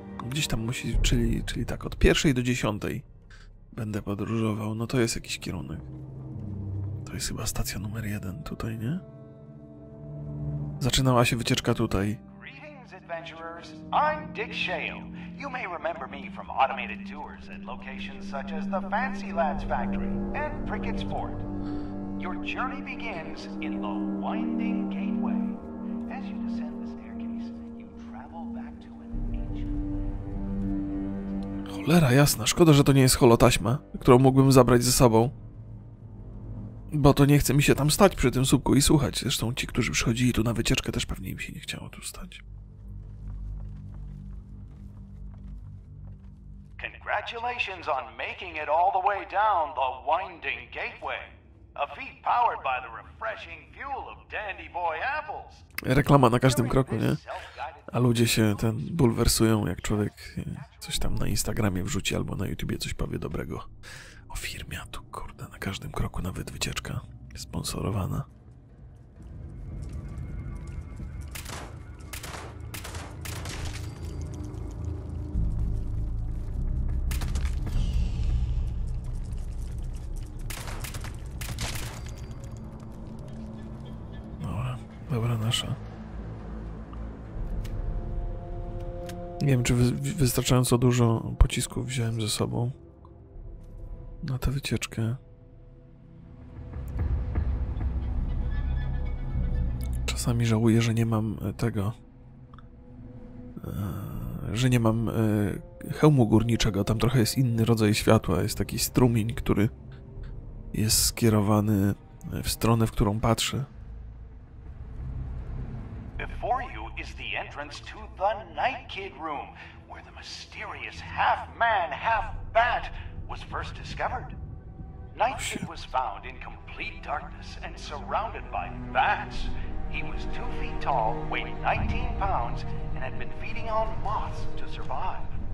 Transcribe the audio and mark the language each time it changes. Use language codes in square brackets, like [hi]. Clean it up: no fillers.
[pl] Gdzieś tam musi... Czyli tak, od 1 do 10 będę podróżował. No to jest jakiś kierunek. To jest chyba stacja numer 1 tutaj, nie? Zaczynała się wycieczka tutaj. [en] Greetings, adventurers. I'm Dick Shale. You may remember me from automated tours at locations such as the Fancy Lads Factory and Prickett's Fort. Your journey begins in the winding gateway. As you descend the staircase, you travel back to an ancient... [pl] Cholera jasna, szkoda, że to nie jest holotaśma, którą mógłbym zabrać ze sobą. Bo to nie chce mi się tam stać przy tym słupku i słuchać. Zresztą ci, którzy przychodzili tu na wycieczkę, też pewnie im się nie chciało tu stać. [en] Congratulations on making it all the way down the winding gateway. A feat powered by the refreshing fuel of Dandy Boy Apples. [pl] Reklama na każdym kroku, nie? A ludzie się ten bulwersują, jak człowiek coś tam na Instagramie wrzuci albo na YouTubie coś powie dobrego. O firmie, a tu kurde, na każdym kroku nawet wycieczka sponsorowana. nasza. Nie wiem, czy wystarczająco dużo pocisków wziąłem ze sobą na tę wycieczkę. Czasami żałuję, że nie mam tego... że nie mam hełmu górniczego. Tam trochę jest inny rodzaj światła. Jest taki strumień, który jest skierowany w stronę, w którą patrzę. [en] Before you is the entrance to the Night Kid room, where the mysterious half-man, half-bat was first discovered. Night Kid was found in complete darkness and surrounded by bats. He was 2 feet tall, weighed 19 pounds, and had been feeding on moths to survive.